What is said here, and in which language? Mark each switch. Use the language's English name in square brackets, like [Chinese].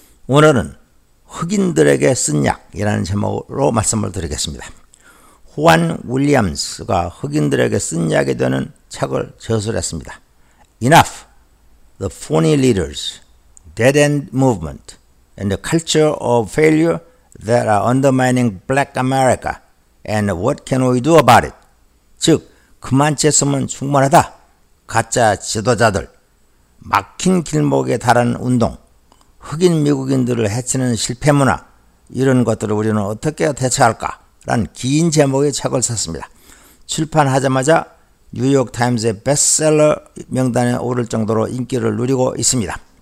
[Korean] 오늘은 흑인들에게 쓴 약이라는 제목으로 말씀을 드리겠습니다. 후안 윌리엄스가 흑인들에게 쓴 약이 되는 책을 저술했습니다. [English] Enough, The Phony Leaders, Dead End Movement, and the Culture of Failure that are undermining Black America, and what can we do about it? [Korean] 즉, 그만 쳤으면 충분하다. 가짜 지도자들. 막힌 길목에 달한 운동, 흑인 미국인들을 해치는 실패 문화, 이런 것들을 우리는 어떻게 대처할까? 라는 긴 제목의 책을 썼습니다. 출판하자마자 뉴욕타임즈의 베스트셀러 명단에 오를 정도로 인기를 누리고 있습니다.